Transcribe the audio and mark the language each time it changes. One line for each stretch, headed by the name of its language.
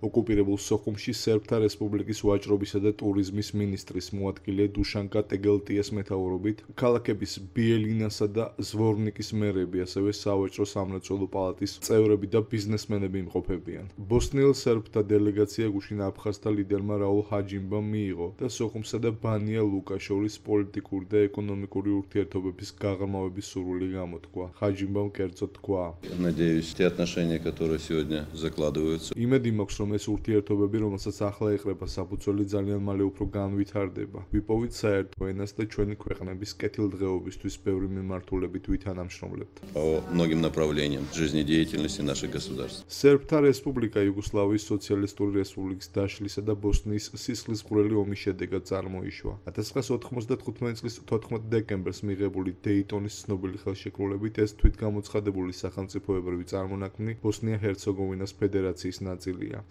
Georgian: ოკუპირებულ სოხუმში სერბთა რესპუბლიკის ვაჭრობისა და ტურიზმის მინისტრის მოადგილე დუშანკა ტეგელტიას მეთაურობით ქალაქების ბიელინასა და ზვორნიკის მერები, ასევე სავაჭრო სამრეწველო პალატის წევრები და ბიზნესმენები იმყოფებიან. ბოსნიელ სერბთა დელეგაცია გუშინ აფხაზთა ლიდერმა რაულ ჰაჯიმბამ მიიღო და სოხუმსა და ბანია ლუკას შორის პოლიტიკური და ეკონომიკური ურთიერთობების გაღრმავების სურვილი გამოთქვა. ჰაჯიმბამ კერძო თქვა:
Russian: Надеюсь, те отношения, которые сегодня закладываются.
Georgian: Იმედი მაქვს, რომ ეს ურთიერთობები, რომელსაც ახლა ეყრება საფუძველი, ძალიან მალე უფრო განვითარდება. ვიპოვით საერთო ენას და ჩვენი ქვეყნების კეთილდღეობისთვის ბევრი მიმართულებით ვითანამშრომლებთ.
Russian: По многим направлениям жизнедеятельности наших государств.
Georgian: Сербთა რესპუბლიკა იუგოსლავიის სოციალისტური რესპუბლიკის დაშლისა და ბოსნიის სისხლის ყურელი ომის შედეგად წარმოიშვა. 1995 წლის 14 დეკემბერს მიღებული დეიტონის ცნობილი ხელშეკრულებით ეს თვითგამოცხადებული სახელმწიფოებრივი წარმონაქმნი ბოსნია-ჰერცეგოვინას ფედერაციის ნაწილია.